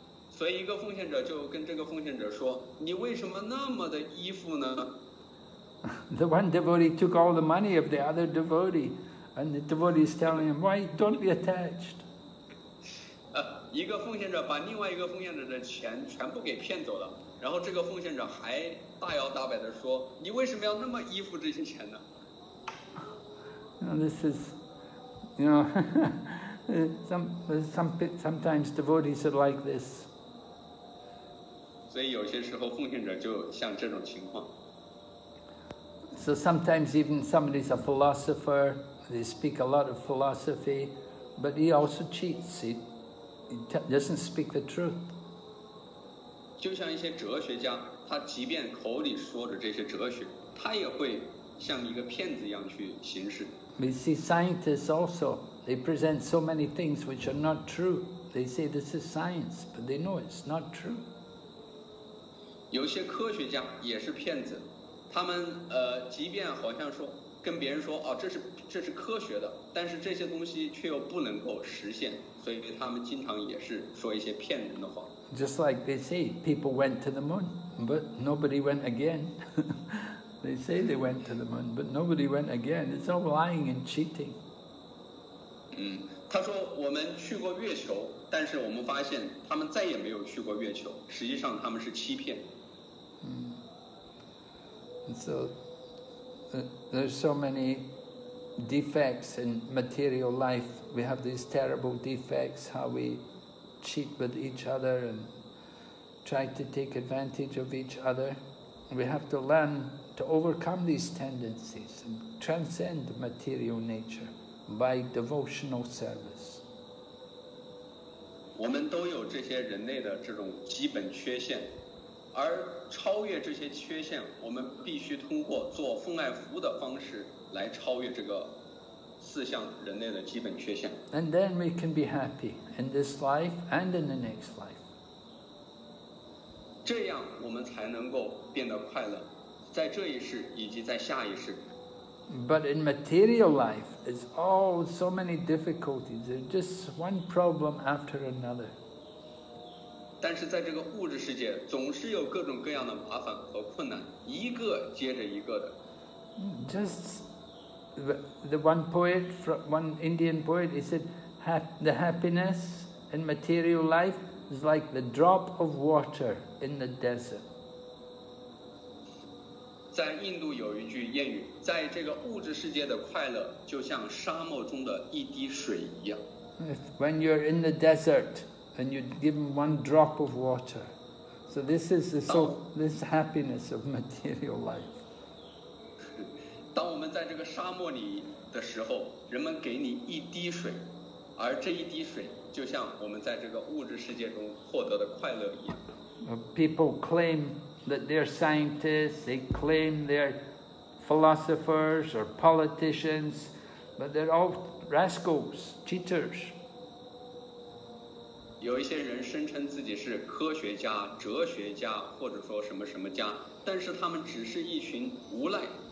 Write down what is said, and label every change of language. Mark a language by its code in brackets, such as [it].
[zh] 所以一个奉献者就跟这个奉献者说，你为什么那么的依附呢 [en] ？The one devotee took all the money of the other devotee, and the devotee is telling him, why don't be attached? [zh] 一个奉献者把另外一个奉献者的钱全部给骗走了，然后这个奉献者还大摇大摆地说：“你为什么要那么依附这些钱呢 [en] ？”Now this is, you know, sometimes devotees are like this. [zh] 所以有些时候奉献者就像这种情况。 [en] So sometimes even somebody is a philosopher, they speak a lot of philosophy, but he also cheats. He doesn't speak the truth. [zh] 就像一些哲学家，他即便口里说着这些哲学，他也会像一个骗子一样去行事。 [en] We see scientists also; they present so many things which are not true. They say this is science, but they know it's not true. [zh] 有些科学家也是骗子，他们即便好像说跟别人说哦，这是科学的，但是这些东西却又不能够实现。所以他们经常也是说一些骗人的话。 [en] Just like they say, people went to the moon, but nobody went again. They say they went to the moon, but nobody went again. It's all lying and cheating. [zh] 他说我们去过月球，但是我们发现他们再也没有去过月球，实际上他们是欺骗。 [en] So there's so many defects in material life. We have these terrible defects, how we cheat with each other and try to take advantage of each other. We have to learn to overcome these tendencies and transcend material nature by devotional service. We all have these basic deficiencies. [zh] 而超越这些缺陷，我们必须通过做奉爱服务的方式来超越这个四项人类的基本缺陷。 [en] And then we can be happy in this life and in the next life. [zh] 这样我们才能够变得快乐，在这一世以及在下一世。 [en] But in material life, it's all so many difficulties. There's just one problem after another. [zh] 但是在这个物质世界，总是有各种各样的麻烦和困难，一个接着一个的。 [en] Just the one poet, one Indian poet, he said, the happiness in material life is like the drop of water in the desert. [zh] 在印度有一句谚语，在这个物质世界的快乐就像沙漠中的一滴水一样。 [en] When you're in the desert. And you'd give him one drop of water. So this is the so this happiness of material life. [zh] 当我们在这个沙漠里的时候，人们给你一滴水，而这一滴水就像我们在这个物质世界中获得的快乐一样。 [en] People claim that they're scientists. They claim they're philosophers or politicians, but they're all rascals, cheaters. [zh] 有一些人声称自己是科学家、哲学家，或者说什么什么家，但是他们只是一群无赖。